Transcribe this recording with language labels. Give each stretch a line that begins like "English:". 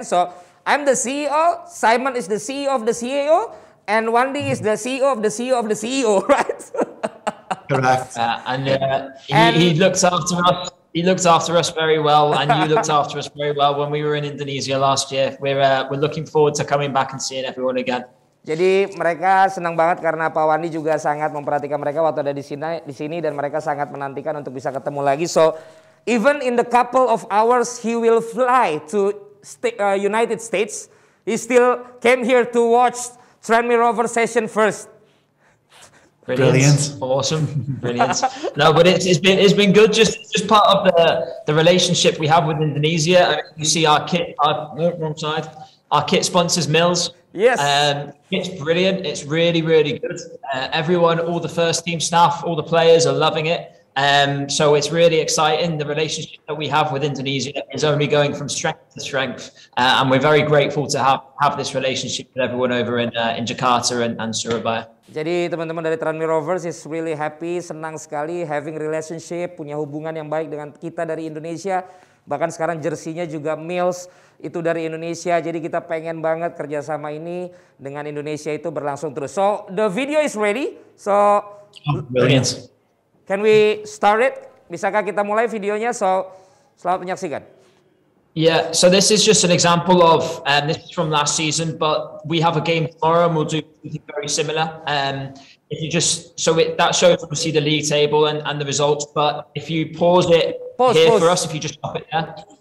English: So I'm the CEO, Simon is the CEO of the CEO, and Wandy is the CEO of the CEO of the CEO, right? Correct. And he looks after us. He looked after us very well, and you looked after us very well when we were in Indonesia last year. We're looking forward to coming back and seeing everyone again.
Indonesian: Jadi mereka senang banget karena Pak Wandy juga sangat memperhatikan mereka waktu ada di sini, dan mereka sangat menantikan untuk bisa ketemu lagi.
English: So even in the couple of hours he will fly to United States, he still came here to watch Tranmere Rovers session first. Brilliant. Awesome. Brilliant. No, but it's been good. Just part of the relationship we have with Indonesia. I mean, you see our kit sponsors Mills. Yes. It's brilliant. It's really, really good. Everyone, all the first team staff, all the players are loving it. So it's really exciting. The relationship that we have with Indonesia is only going from strength to strength. And we're very grateful to have this relationship with everyone over in Jakarta and Surabaya.
Indonesian: Jadi teman-teman dari Tranmere Rovers
English: is really happy,
Indonesian: senang sekali
English: having relationship,
Indonesian: punya hubungan yang baik dengan kita dari Indonesia. Bahkan sekarang jersinya juga Mills itu dari Indonesia. Jadi kita pengen banget kerjasama ini dengan Indonesia itu berlangsung terus.
English: So the video is ready. So brilliant. Can we start it?
Indonesian: Bisakah kita mulai videonya? So selamat menyaksikan.
English: Yeah, so this is just an example of, this is from last season, but we have a game tomorrow and we'll do something very similar. That shows obviously the league table and the results, but if you pause it, pause here, pause. For us, if you just stop it there,